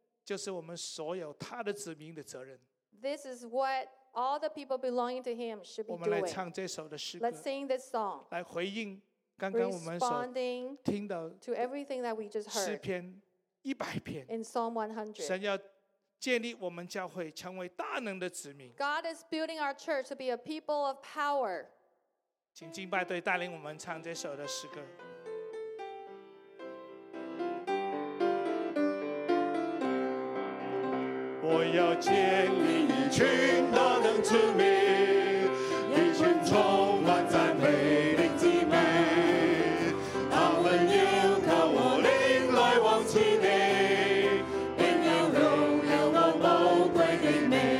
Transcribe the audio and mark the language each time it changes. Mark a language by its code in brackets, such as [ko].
[zh] 就是我们所有他的子民的责任。 [en] This is what all the people belonging to him should be doing. [zh] 我们来唱这首的诗歌。 [en] Let's sing this song. [zh] 来回应刚刚我们所听到的。 [en] To everything that we just heard. [zh] 诗篇一百篇。 [en] In Psalm 100. [zh] 神要建立我们教会成为大能的子民。 [en] God is building our church to be a people of power. [zh] 请敬拜队带领我们唱这首的诗歌。我要建立一群大能之民，一群充满赞美的姊妹，他们要靠我灵来往赐你，并要荣耀我宝贵的名。